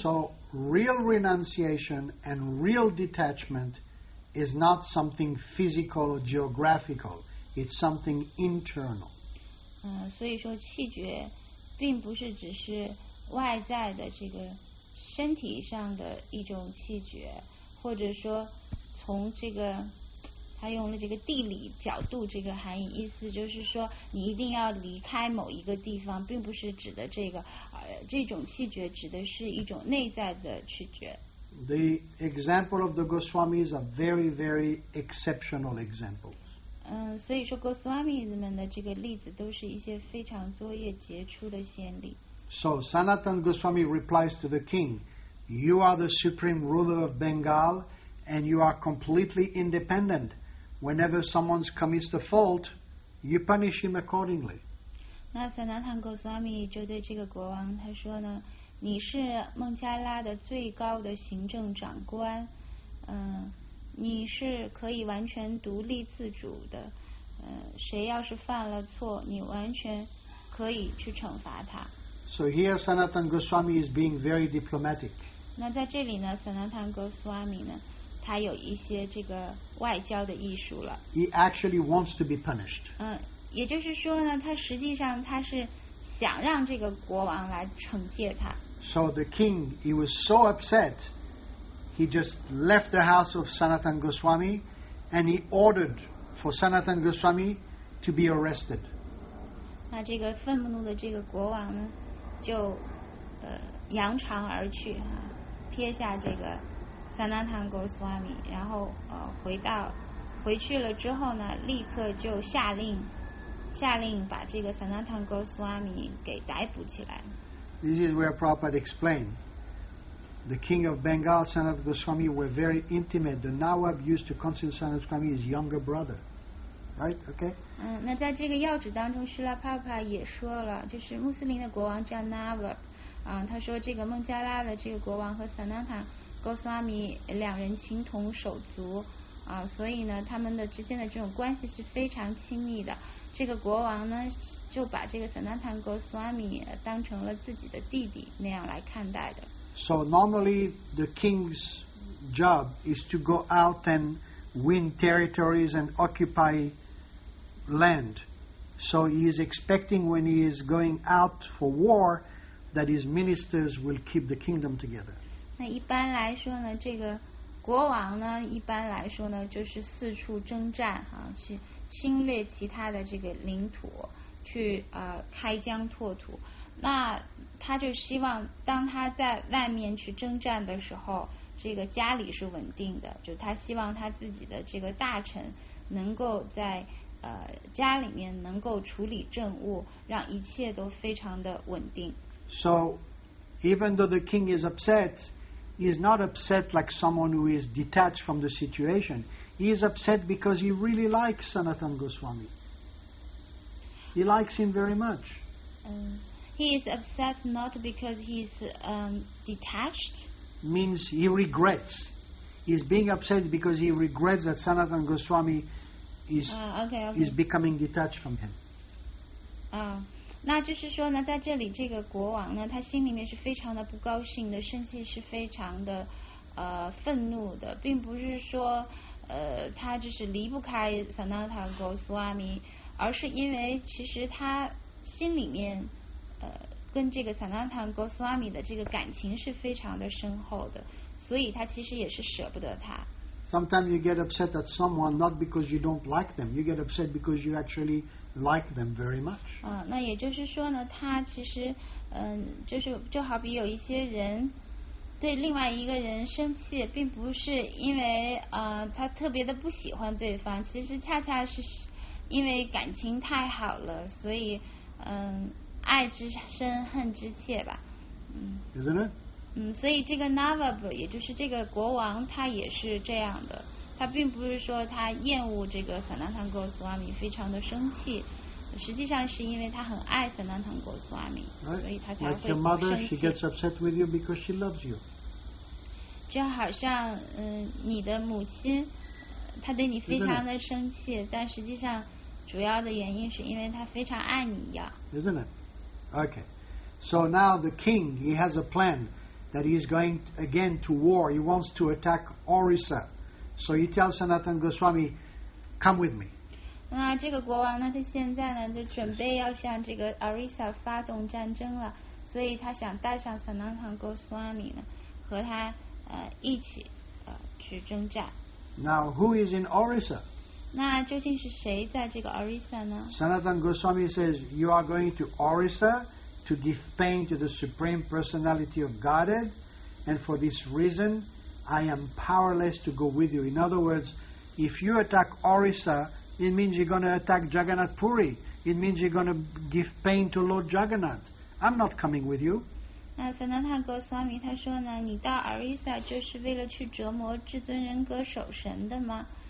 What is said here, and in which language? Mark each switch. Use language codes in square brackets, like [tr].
[en] So real renunciation and real detachment is not something physical or geographical; it's something internal. [zh] 所以说弃绝，并不是只是外在的这个身体上的一种弃绝，或者说从这个。他用了这个地理角度这个含义，意思就是说你一定要离开某一个地方，并不是指的这个这种弃绝，指的是一种内在的弃绝。 [en] The example of the Goswami is a very very exceptional example. [zh] 所以说 Goswami 们的这个例子都是一些非常卓越杰出的先例。 [en] So Sanatan Goswami replies to the king, you are the supreme ruler of Bengal and you are completely independent. Whenever someone commits a fault, you punish him accordingly. [zh] 那 Sanatan Goswami 就对这个国王他说呢，你是孟加拉的最高的行政长官，你是可以完全独立自主的，谁要是犯了错，你完全可以去惩罚他。 [en] So here Sanatan Goswami is being very diplomatic. [zh] 那在这里呢 ，Sanatan Goswami 呢？他有一些这个外交的艺术了。 [en] He actually wants to be punished. [zh] 也就是说呢，他实际上他是想让这个国王来惩戒他。 [en] So the king, he was so upset, he just left the house of Sanatan Goswami, and he ordered for Sanatan Goswami to be arrested. [zh] 那这个愤怒的这个国王呢，就扬长而去啊，撇下这个。 Sanatan Goswami 然后回去了之后呢，立刻就下令把这个 Sanatan Goswami 给逮捕起来。 [en] This is where Prabhupada explained the king of Bengal, Sanatan Goswami, were very intimate. The Nawab used to consider Sanatan Goswami his younger brother, right? Okay. [zh] 那在这个要旨当中，Srila Prabhupada 也说了，就是穆斯林的国王叫 Nawab， 他说这个孟加拉的这个国王和 Sanatan Goswami 两人情同手足，所以呢，他们的之间的这种关系是非常亲密的。这个国王呢，就把这个 Sanatan Goswami 当成了自己的弟弟那样来看待的。 [en] So normally the king's job is to go out and win territories and occupy land. So he is expecting when he is going out for war that his ministers will keep the kingdom together. [zh] 那一般来说呢，这个国王呢，一般来说呢，就是四处征战啊，去侵略其他的这个领土，去开疆拓土。那他就希望，当他在外面去征战的时候，这个家里是稳定的，就他希望他自己的这个大臣能够在家里面能够处理政务，让一切都非常的稳定。 [en] So, even though the king is upset. He is not upset like someone who is detached from the situation. He is upset because he really likes Sanatan Goswami. He likes him very much. He is upset not because he is detached. Means he regrets. He is being upset because he regrets that Sanatan Goswami is becoming detached from him. [zh] 那就是说呢，在这里这个国王呢，他心里面是非常的不高兴的，生气是非常的愤怒的，并不是说他就是离不开 Sanatan Goswami， 而是因为其实他心里面跟这个 Sanatan Goswami 的这个感情是非常的深厚的，所以他其实也是舍不得他。 [en] Sometimes you get upset at someone not because you don't like them, you get upset because you actually like them very much. [zh] 那也就是说呢，他其实，就是就好比有一些人对另外一个人生气，并不是因为他特别的不喜欢对方，其实恰恰是因为感情太好了，所以爱之深，恨之切吧。 [en] Isn't it? [zh] 所以这个 Nawab 也就是这个国王，他也是这样的。他并不是说他厌恶这个 Sanatan Goswami， 非常的生气，实际上是因为他很爱 Sanatan Goswami， [en] right, [zh] 所以他才会生气。 [en] Like your mother, she gets upset with you because she loves you. [zh] 就好像你的母亲，她对你非常的生气，但实际上主要的原因是因为她非常爱你一样。 [en] Isn't it? Okay. So now the king, he has a plan that he is going again to war. He wants to attack Orissa. So he tells Sanatan Goswami, come with me. [zh] 那这个国王呢，他现在呢就准备要向这个 Orissa 发动战争了，所以他想带上 Sanatan Goswami 呢，和他一起去征战。 [en] Now who is in Orissa? [zh] 那究竟是谁在这个 Orissa 呢？ [en] Sanatan Goswami says, you are going to Orissa to give pain to the Supreme Personality of Godhead, and for this reason,I am powerless to go with you. In other words, if you attack Orissa, it means you're going to attack Jagannath Puri. It means you're going to give pain to Lord Jagannath. I'm not coming with you. [zh] 那 Sanatan Goswami 他说呢，你到 Orissa 就是为了去折磨至尊人格守神的吗？